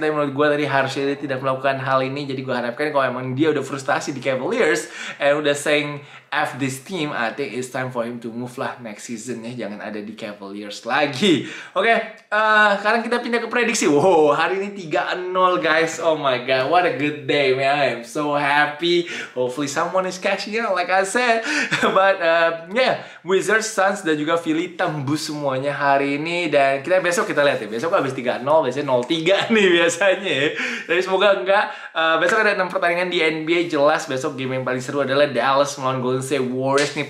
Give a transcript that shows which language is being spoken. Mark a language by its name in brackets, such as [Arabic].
[Indonesian] Tapi menurut gua tadi harusnya dia tidak melakukan hal ini. Jadi gua harapkan kalau emang dia udah frustasi di Cavaliers and udah [English] saying F this team, I think it's time for him to move [Indonesian] lah next season ya. Jangan ada di Cavaliers lagi. Oke, sekarang kita pindah ke prediksi. [English] Wow, [Indonesian] hari ini [English] 3-0 guys. Oh my god, what a good day man. I am so happy. Hopefully someone is cashing out like I said. But yeah, [Indonesian] Wizards, Suns dan juga Philly tembus semuanya hari ini. Dan kita besok kita lihat ya. Besok abis 3-0, biasanya 0-3 nih biasanya. Tapi semoga enggak. Besok ada 6 pertandingan di NBA. Jelas besok game yang paling seru adalah Dallas melawan Golden State Warriors nih.